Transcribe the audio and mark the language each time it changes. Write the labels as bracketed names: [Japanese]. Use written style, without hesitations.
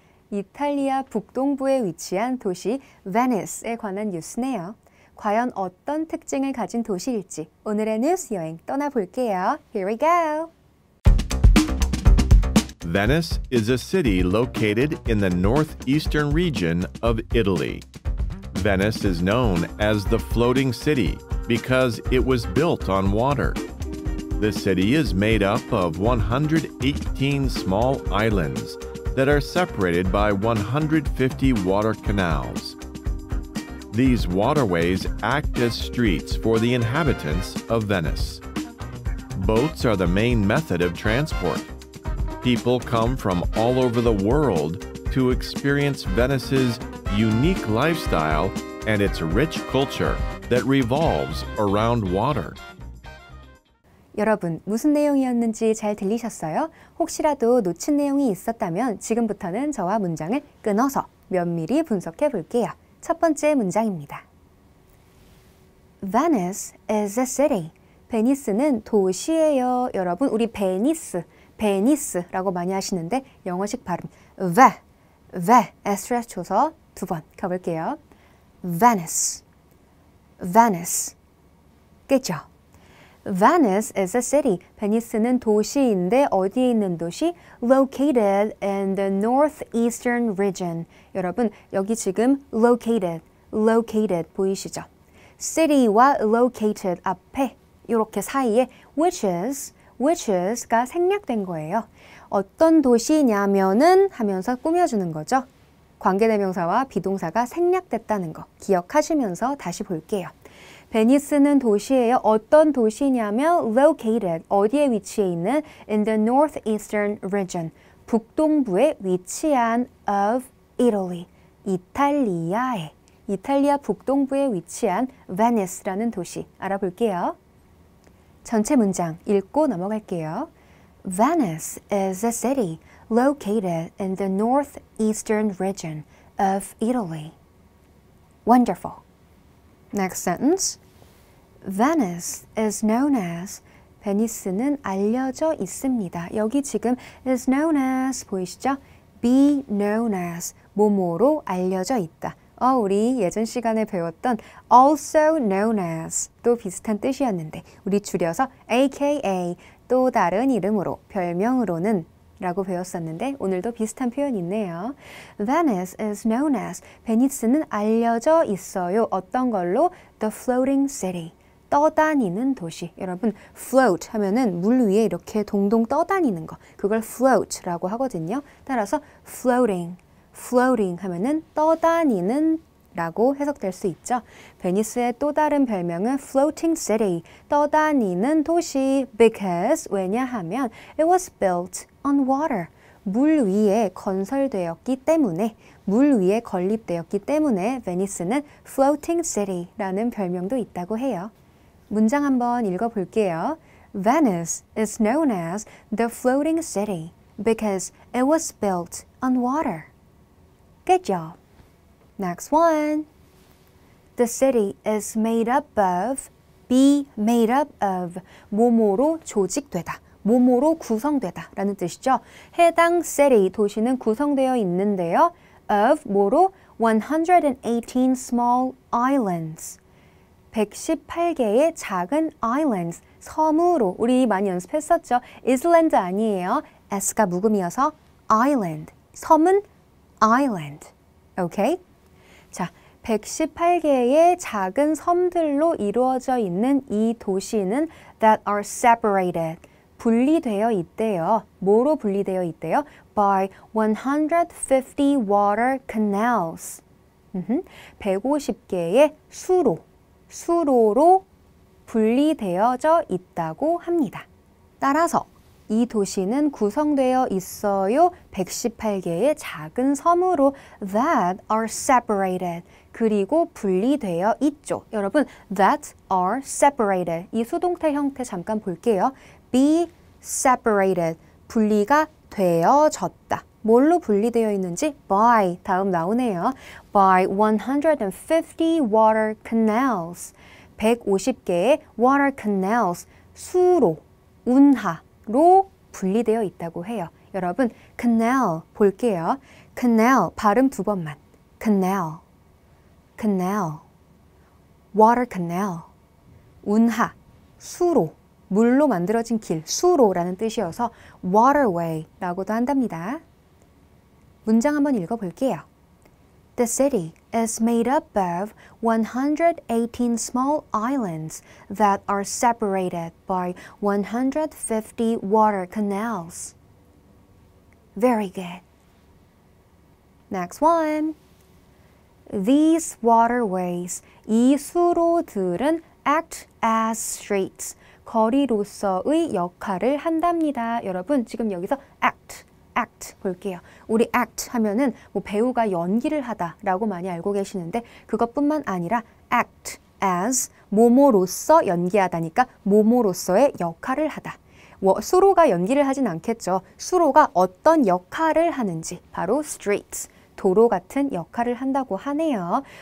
[Korean] 이탈리아 북동부에 위치한 도시 Venice에 관한 뉴스네요. 과연 어떤 특징을 가진 도시일지 오늘의 뉴스 여행 떠나볼게요. [English] Here we go! Venice is a city located in the northeastern region of Italy. Venice is known as the floating city because it was built on water. The city is made up of 118 small islands that are separated by 150 water canals. These waterways act as streets for the inhabitants of Venice. Boats are the main method of transport. People come from all over the world to experience Venice's unique lifestyle and its rich culture that revolves around water. [Korean] 여러분, 무슨 내용이었는지 잘 들리셨어요? 혹시라도 놓친 내용이 있었다면 지금부터는 저와 문장을 끊어서 면밀히 분석해 볼게요. 첫 번째 문장입니다. [English] Venice is a city. [Korean] 베니스는 도시예요. 여러분, 우리 베니스, 베니스라고 많이 하시는데 영어식 발음 ve, ve, s를 쳐서 두 번 가볼게요. Venice, Venice, 깼죠? [English] Venice is a city. [Korean] 베니스는 도시인데 어디에 있는 도시? [English] Located in the northeastern region. [Korean] 여러분, 여기 지금 located, located 보이시죠? City와 located 앞에 이렇게 사이에 which is가 생략된 거예요. 어떤 도시냐면은 하면서 꾸며주는 거죠. 관계대명사와 비동사가 생략됐다는 거 기억하시면서 다시 볼게요. 베니스는 도시예요. 어떤 도시냐면 located, 어디에 위치해 있는? [English] In the northeastern region, [Korean] 북동부에 위치한 [English] of Italy, [Korean] 이탈리아에. 이탈리아 북동부에 위치한 Venice라는 도시 알아볼게요. 전체 문장 읽고 넘어갈게요. [English] Venice is a city located in the northeastern region of Italy. Wonderful. Next sentence. Venice is known as, [Korean] 베니스는 알려져 있습니다. 여기 지금 is known as 보이시죠? [English] Be known as, [Korean] 뭐뭐로 알려져 있다. 우리 예전 시간에 배웠던 [English] also known as, [Korean] 또 비슷한 뜻이었는데 우리 줄여서 aka, 또 다른 이름으로, 별명으로는 라고 배웠었는데 오늘도 비슷한 표현 있네요. [English] Venice is known as, [Korean] 베니스는 알려져 있어요. 어떤 걸로? [English] The floating city. [Korean] 떠다니는 도시. 여러분, float 하면은 물 위에 이렇게 동동 떠다니는 거. 그걸 float라고 하거든요. 따라서 floating, floating 하면은 떠다니는 라고 해석될 수 있죠. 베니스의 또 다른 별명은 floating city, 떠다니는 도시. [English] Because, [Korean] 왜냐하면 [English] it was built on water. [Korean] 물 위에 건설되었기 때문에, 물 위에 건립되었기 때문에 베니스는 floating city라는 별명도 있다고 해요. 문장 한번 읽어볼게요. [English] Venice is known as the floating city because it was built on water. [Korean] 깼죠? [English] Next one. The city is made up of, be made up of, [Korean] 뭐뭐로 조직되다, 뭐뭐로 구성되다 라는 뜻이죠. 해당 city, 도시는 구성되어 있는데요. of 뭐로? [English] 118 small islands. [Korean] 118개의 작은 islands, 섬으로. 우리 많이 연습했었죠? island 아니에요. s가 묵음이어서 island. 섬은 island. Okay? 자, 118개의 작은 섬들로 이루어져 있는 이 도시는 [English] that are separated. [Korean] 분리되어 있대요. 뭐로 분리되어 있대요? [English] by 150 water canals. [Korean] 150개의 수로. 수로로 분리되어져 있다고 합니다. 따라서 이 도시는 구성되어 있어요. 118개의 작은 섬으로 [English] that are separated. [Korean] 그리고 분리되어 있죠. 여러분, [English] that are separated. [Korean] 이 수동태 형태 잠깐 볼게요. Be separated. 분리가 되어졌다. 뭘로 분리되어 있는지? By 다음 나오네요. [English] By 150 water canals. [Korean] 150개의 water canals. 수로, 운하로 분리되어 있다고 해요. 여러분, canal 볼게요. canal, 발음 두 번만. canal, canal, water canal, 운하, 수로, 물로 만들어진 길, 수로라는 뜻이어서 waterway라고도 한답니다. 문장 한번 읽어볼게요. [English] The city is made up of 118 small islands that are separated by 150 water canals. Very good. Next one. These waterways, [Korean] 이 수로들은 [English] act as streets, [Korean] 거리로서의 역할을 한답니다. 여러분, 지금 여기서 act, act 볼게요. 우리 act 하면은 뭐 배우가 연기를 하다라고 많이 알고 계시는데 그것뿐만 아니라 [English] act as, [Korean] 모모로서 연기하다니까 모모로서의 역할을 하다. 뭐 수로가 연기를 하진 않겠죠. 수로가 어떤 역할을 하는지 바로 streets, 도로 같은 역할을 한다고 하네요.